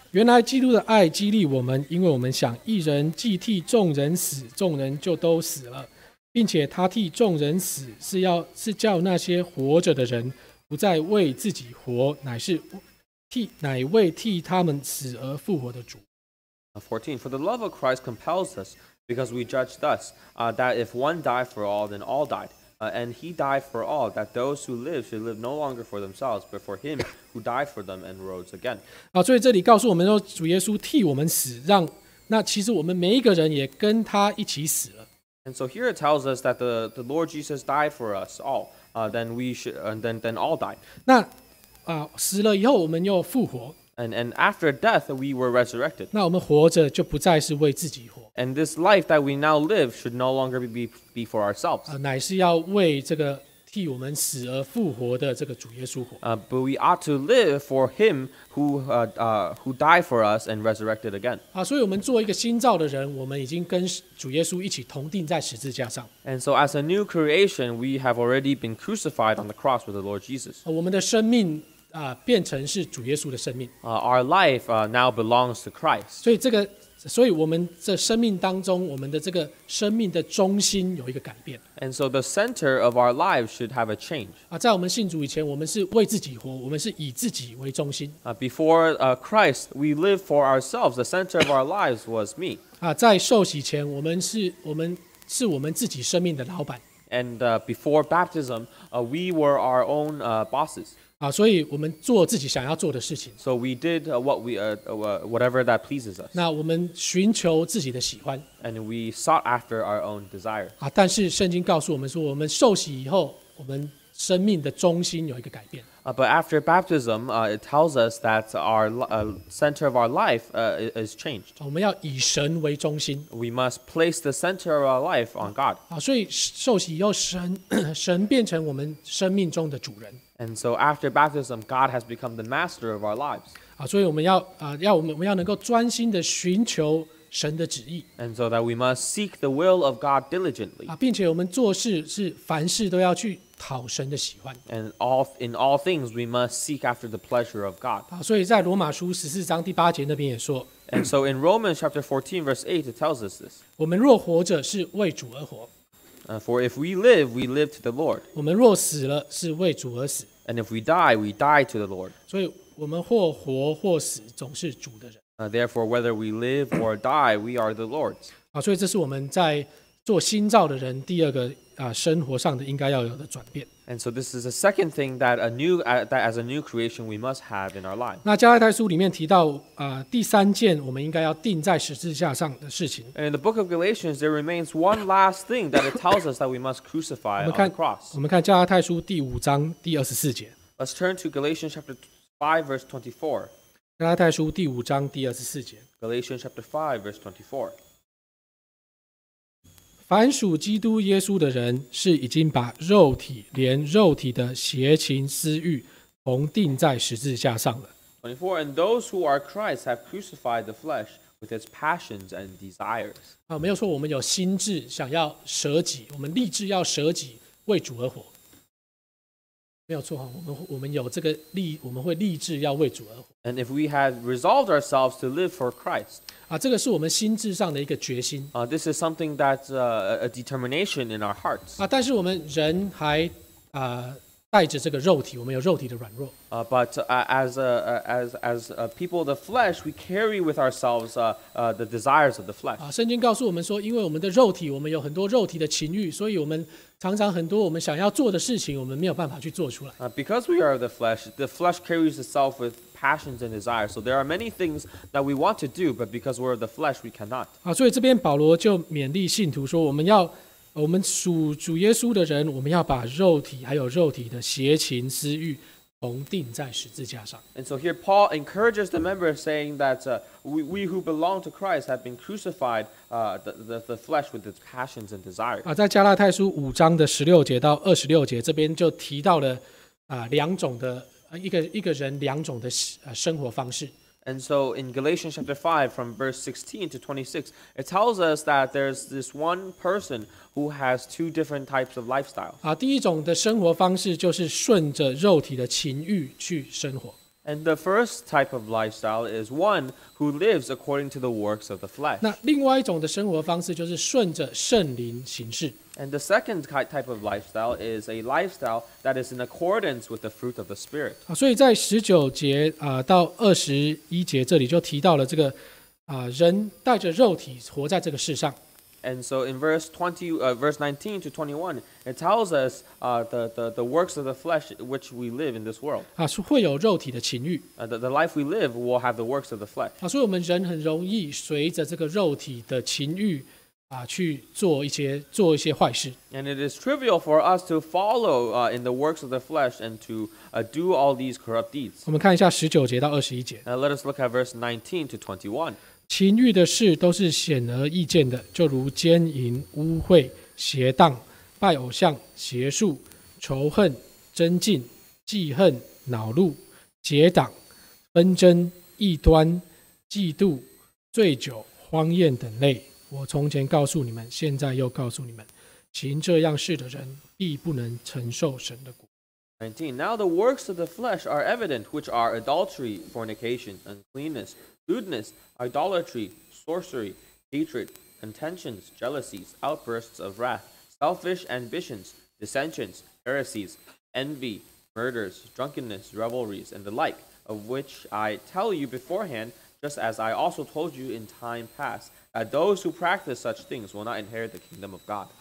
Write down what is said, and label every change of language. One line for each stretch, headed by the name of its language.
Chinese: 原来基督的爱激励我们，因为我们想一人既替众人死，众人就都死了，并且他替众人死，是叫那些活着的人不再为自己活，乃为替他们死而复活的主。
English: 14. For the love of Christ compels us, because we judge thus, that if one died for all, then all died. And he died for all, that those who live should live no longer for themselves, but for him who died for them and rose again.
Chinese: 所以这里告诉我们说，主耶稣替我们死，让那其实我们每一个人也跟他一起死了。
English: And so here it tells us that the Lord Jesus died for us all, then all died.
Chinese: 死了以后我们又复活。
English: And after death we were resurrected.
Chinese: 那我们活着就不再是为自己活。
English: And this life that we now live should no longer be for ourselves.
Chinese: 乃是要为这个替我们死而复活的这个主耶稣活。
English: But we ought to live for him who died for us and resurrected again.
Chinese: 所以我们做一个新造的人，我们已经跟主耶稣一起同钉在十字架上。
English: And so as a new creation we have already been crucified on the cross with the Lord Jesus.
Chinese: 我们的生命变成是主耶稣的生命。
English: Our life now belongs to Christ.
Chinese: 所以我们这生命当中，我们的这个生命的中心有一个改变。
English: And so the center of our lives should have a change.
Chinese: 在我们信主以前，我们是为自己活，我们是以自己为中心。
English: Before Christ, we lived for ourselves. The center of our lives was me.
Chinese: 在受洗前，我们是我们自己生命的老板。
English: And before baptism, we were our own bosses.
Chinese: 所以我们做自己想要做的事情。
English: So we did whatever that pleases us.
Chinese: 那我们寻求自己的喜欢。
English: And we sought after our own desire.
Chinese: 但是圣经告诉我们说，我们受洗以后，我们生命的中心有一个改变。
English: But after baptism, it tells us that our center of our life is changed.
Chinese: 我们要以神为中心。
English: We must place the center of our life on God.
Chinese: 所以受洗以后，神变成我们生命中的主人。
English: And so after baptism, God has become the master of our lives.
Chinese: 所以我们要能够专心的寻求神的旨意。
English: And so that we must seek the will of God diligently.
Chinese: 并且我们做事是凡事都要去讨神的喜欢。
English: And in all things, we must seek after the pleasure of God.
Chinese: 所以在罗马书十四章第八节那边也说。
English: And so in Romans chapter 14, verse 8, it tells us this.
Chinese: 我们若活着是为主而活。
English: For if we live, we live to the Lord.
Chinese: 我们若死了，是为主而死。
English: And if we die, we die to the Lord.
Chinese: 所以我们或活或死，总是主的人。
English: Therefore, whether we live or die, we are the Lord's.
Chinese: 所以这是我们在做新造的人第二个生活上的应该要有的转变。
English: And so this is the second thing that as a new creation we must have in our life.
Chinese: 那加拉太书里面提到第三件我们应该要钉在十字架上的事情。
English: And in the book of Galatians there remains one last thing that it tells us that we must crucify on the cross.
Chinese: 我们看加拉太书第五章第二十四节。
English: Let's turn to Galatians chapter 5 verse 24.
Chinese: 加拉太书第五章第二十四节。
English: Galatians chapter 5 verse 24.
Chinese: 凡属基督耶稣的人，是已经把肉体连肉体的邪情私欲同钉在十字架上了。
English: 24 And those who are Christ have crucified the flesh with its passions and desires.
Chinese: 啊，没有错，我们有心志想要舍己，我们立志要舍己为主而活。没有错，我们有这个立，我们会立志要为主而活。
English: And if we have resolved ourselves to live for Christ.
Chinese: 啊，这个是我们心智上的一个决心。
English: This is something that's a determination in our hearts.
Chinese: 啊，但是我们人还带着这个肉体，我们有肉体的软弱。
English: But as people of the flesh, we carry with ourselves the desires of the flesh.
Chinese: 啊，圣经告诉我们说，因为我们的肉体，我们有很多肉体的情欲，所以我们常常很多我们想要做的事情，我们没有办法去做出来。
English: Because we are of the flesh carries itself with passions and desires. So there are many things that we want to do, but because we're of the flesh, we cannot.
Chinese: 啊，所以这边保罗就勉励信徒说，我们属主耶稣的人，我们要把肉体还有肉体的邪情私欲同钉在十字架上。
English: And so here Paul encourages the members, saying that we who belong to Christ have been crucified the flesh with its passions and desires.
Chinese: 在加拉太书五章的十六节到二十六节，这边就提到了两种的一个人两种的生活方式。
English: And so in Galatians chapter 5, from verse 16 to 26, it tells us that there's this one person who has two different types of lifestyle.
Chinese: 第一种的生活方式就是顺着肉体的情欲去生活。
English: And the first type of lifestyle is one who lives according to the works of the flesh.
Chinese: 那另外一种的生活方式就是顺着圣灵行事。
English: And the second type of lifestyle is a lifestyle that is in accordance with the fruit of the Spirit.
Chinese: 所以在十九节到二十一节这里就提到了这个人带着肉体活在这个世上。
English: And so in verse 19 to 21, it tells us the works of the flesh which we live in this world.
Chinese: 是会有肉体的情欲。
English: The life we live will have the works of the flesh.
Chinese: 所以我们人很容易随着这个肉体的情欲去做一些坏事。
English: And it is trivial for us to follow in the works of the flesh and to do all these corrupt deeds.
Chinese: 我们看一下十九节到二十一节。
English: Let us look at verse 19 to 21.
Chinese: 情欲的事都是显而易见的，就如奸淫、污秽、邪荡、拜偶像、邪术、仇恨、争竞、记恨、恼怒、结党、纷争、异端、嫉妒、醉酒、荒宴等类。我从前告诉你们，现在又告诉你们，行这样事的人必不能承受神的国。
English: 19. Now the works of the flesh are evident, which are adultery, fornication, uncleanness, lewdness, idolatry, sorcery, hatred, contentions, jealousies, outbursts of wrath, selfish ambitions, dissensions, heresies, envy, murders, drunkenness, revelries, and the like, of which I tell you beforehand, just as I also told you in time past, that those who practice such things will not inherit the kingdom of God.